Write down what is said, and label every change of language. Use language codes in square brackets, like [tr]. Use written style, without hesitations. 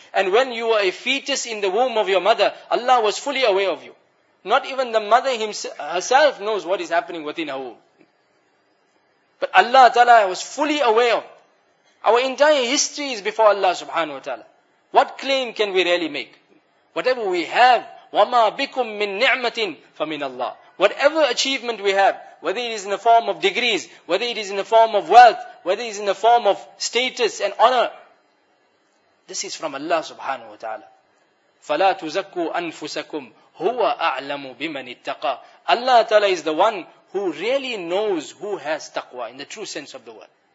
[en] And when you were a fetus in the womb of your mother, Allah was fully aware of you. Not even the mother herself knows what is happening within her womb. But Allah Ta'ala was fully aware of. Our entire history is before Allah subhanahu wa ta'ala. What claim can we really make? Whatever we have, [ar] وَمَا بِكُم مِّن نِعْمَةٍ فَمِنَ اللَّهِ. [en] Whatever achievement we have, whether it is in the form of degrees, whether it is in the form of wealth, whether it is in the form of status and honor, this is from Allah subhanahu wa ta'ala. [ar] فَلَا تُزَكُّوا أَنفُسَكُمْ هُوَ أَعْلَمُ بِمَنِ اتَّقَى. [en] Allah Ta'ala is the one who really knows who has taqwa in the true sense of the word.